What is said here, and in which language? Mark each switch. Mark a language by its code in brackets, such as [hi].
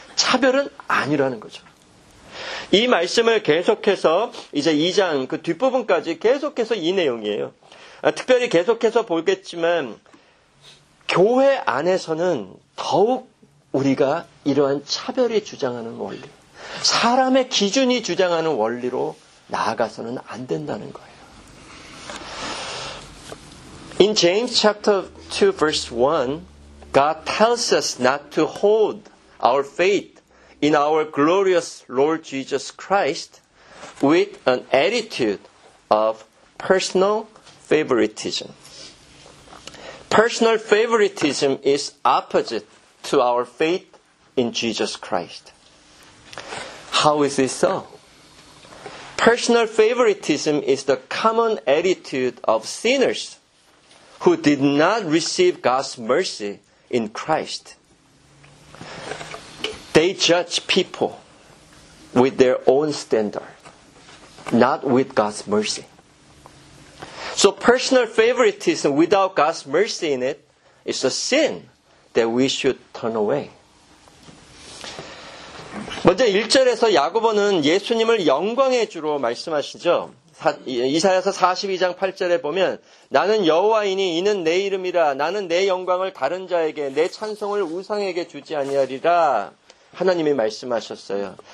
[ko] 차별은 아니라는 거죠. 이 말씀을 계속해서 이제 2장 그 뒷부분까지 계속해서 이 내용이에요. 특별히 계속해서 보겠지만 교회 안에서는 더욱 우리가 이러한 차별이 주장하는 원리, 사람의 기준이 주장하는 원리로 나아가서는 안 된다는 거예요. [en] In James chapter 2 verse 1, God tells us not to hold our faith in our glorious Lord Jesus Christ with an attitude of personal favoritism. Personal favoritism is opposite to our faith in Jesus Christ. How is this so? Personal favoritism is the common attitude of sinners who did not receive God's mercy in Christ. They judge people with their own standard, not with God's mercy. So personal favoritism without God's mercy in it is a sin that we should turn away. [ko] 먼저 1절에서 야고보는 예수님을 영광의 주로 말씀하시죠. 이사야서 42장 8절에 보면 나는 여호와이니 이는 내 이름이라 나는 내 영광을 다른 자에게 내 찬송을 우상에게 주지 아니하리라 하나님이 말씀하셨어요.